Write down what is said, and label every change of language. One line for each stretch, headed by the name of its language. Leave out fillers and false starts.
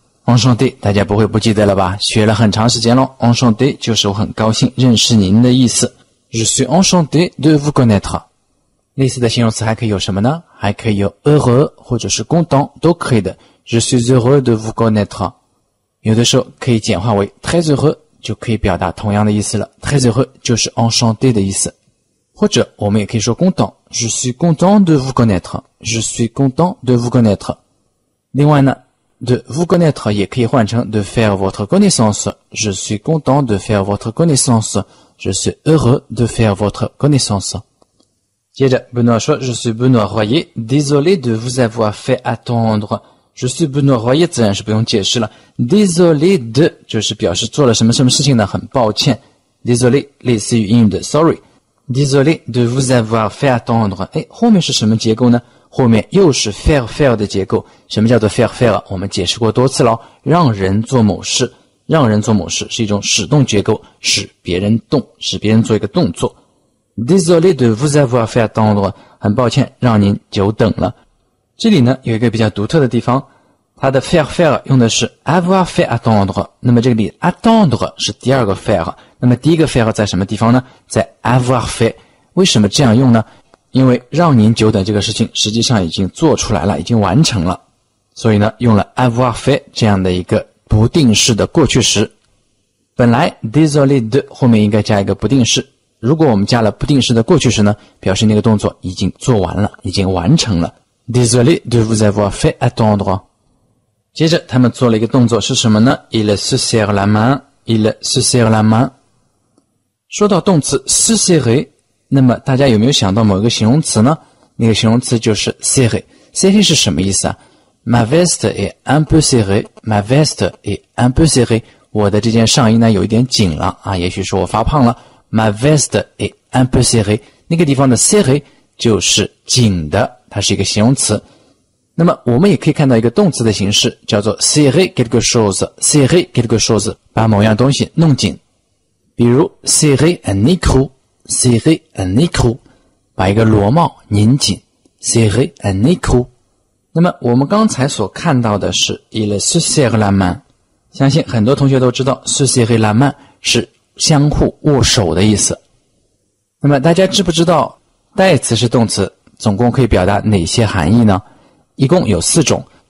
Chinese: Enchanté， 大家不会不记得了吧？学了很长时间咯。Enchanté 就是我很高兴认识您的意思。
French: Je suis enchanté de vous connaître。
Chinese: 类似的形容词还可以有什么呢？还可以有 heureux 或者是 content 都可以的。
French: Je suis heureux de vous connaître。
Chinese: 有的时候可以简化为
French: très heureux，
Chinese: 就可以表达同样的意思了。 très heureux 就是 enchanté 的意思。或者我们也可以说 content。
French: Je suis content de vous connaître。 Je suis content de vous connaître。
Chinese: 另外呢
French: de vous connaître
Chinese: 也可以换成
French: de faire votre connaissance. Je suis content de faire votre connaissance. Je suis heureux de faire votre connaissance.
Chinese: 接着
French: Benoît
Chinese: 说
French: Je suis Benoît Royer. Désolé de vous avoir fait attendre. Je suis Benoît Royer
Chinese: 自然是不用解释了。
French: Désolé de
Chinese: 就是表示做了什么什么事情呢，很抱歉。 Désolé 类似于英语的 sorry.
French: Désolé de vous avoir fait attendre.
Chinese: 诶，后面是什么结构呢？后面又是 faire faire 的结构。什么叫做 faire faire？我们解释过多次了，让人做某事，让人做某事是一种使动结构，使别人动，使别人做一个动作。
French: Désolé de vous avoir fait attendre，
Chinese: 很抱歉让您久等了。这里呢有一个比较独特的地方，它的 faire faire 用的是
French: avoir fait attendre，
Chinese: 那么这里 attendre 是第二个 faire， 那么第一个 faire 在什么地方呢？在
French: avoir fait。
Chinese: 为什么这样用呢？因为让您久等这个事情实际上已经做出来了，已经完成了，所以呢用了 avoir fait 这样的一个不定式的过去时。本来 désolé de 后面应该加一个不定式，如果我们加了不定式的过去时呢，表示那个动作已经做完了，已经完成了。
French: désolé de vous avoir fait attendre。
Chinese: 接着他们做了一个动作是什么呢？
French: il se serre la main。 il se serre la main。
Chinese: 说到动词 se serrer，那么大家有没有想到某一个形容词呢？那个形容词就是 serré。
French: serré
Chinese: 是什么意思啊
French: ？Ma veste est un peu serrée. Ma veste est un peu serrée.
Chinese: 我的这件上衣呢有一点紧了啊，也许是我发胖了。
French: Ma veste est un peu serrée.
Chinese: 那个地方的 serré 就是紧的，它是一个形容词。那么我们也可以看到一个动词的形式，叫做
French: serrer quelque chose. serrer quelque chose，
Chinese: 把某样东西弄紧。
French: 比如 serrer un écrou， serrer un écrou，
Chinese: 把一个螺帽拧紧。 serrer un écrou。那么我们刚才所看到的是
French: il se serre la main，
Chinese: 相信很多同学都知道
French: se serrer la main
Chinese: 是相互握手的意思。那么大家知不知道代词是动词总共可以表达哪些含义呢？一共有四种。